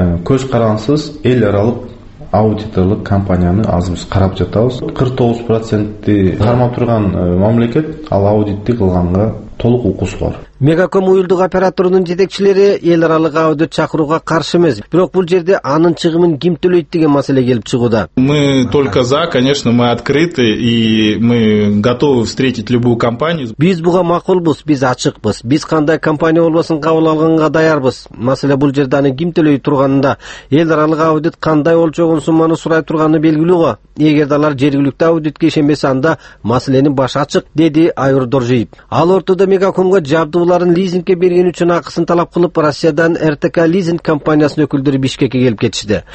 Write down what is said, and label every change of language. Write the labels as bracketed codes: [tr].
[ky] Көз карансыз эл аралык аудиторлук компанияны азыбыз карап жатабыз. 49%ти кармап турган мамлекет ал аудитти кылганга толук укусу бар. Мегаком уюлдук операторунун жетекчилери эл аралык аудит чакырууга каршы эмес, бирок бул жерде анын чыгымын ким төлөйт деген маселе келип чыгууда. [ru] Мы только за, конечно, мы открыты и мы готовы встретить любую компанию. [ky] Биз буга макулбуз, биз ачыкпыз. Биз кандай компания болбосун кабыл алганга даярбыз. Маселе бул жерде анын ким төлөй турганында, эл аралык аудит кандай болчогон сумманы сурай турганы белгилүү го. Эгерде алар жергиликтүү аудитке ишенбесе, анда маселенин башы ачык, деди Айур Доржиев. Ал ортодо Мегакомго жабдуу уларын лизингке берген үчүн акысын талап кылып Россиядан РТК лизинг компаниясынын өкүлдөрү Бишкекке келип кетишти.